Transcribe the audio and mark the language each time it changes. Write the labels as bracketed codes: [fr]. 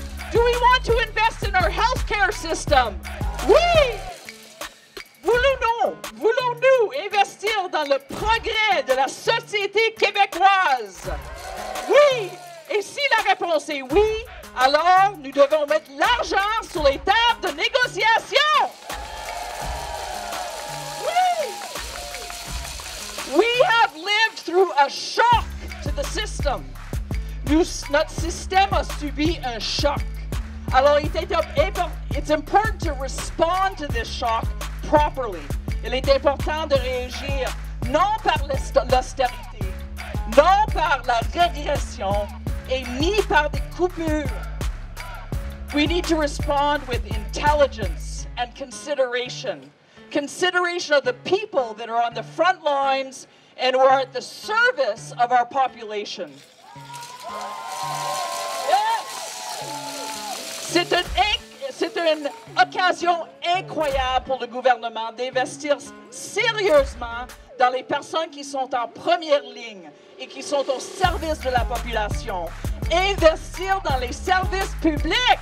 [en] Do we want to invest in our healthcare system? [fr] Oui! Voulons-nous investir dans le progrès de la société québécoise? Oui! Et si la réponse est oui, alors nous devons mettre l'argent sur les tables de négociation. Oui! [en] We have lived through a shock to the system. [fr] Notre système a subi un choc. Alors, [en] it's important to respond to this shock properly. [fr] Il est important de réagir non par l'austérité, non par la régression, et ni par des coupures. [en] We need to respond with intelligence and consideration. Consideration of the people that are on the front lines and who are at the service of our population. Yes! [fr] C'est une occasion incroyable pour le gouvernement d'investir sérieusement dans les personnes qui sont en première ligne et qui sont au service de la population. Investir dans les services publics!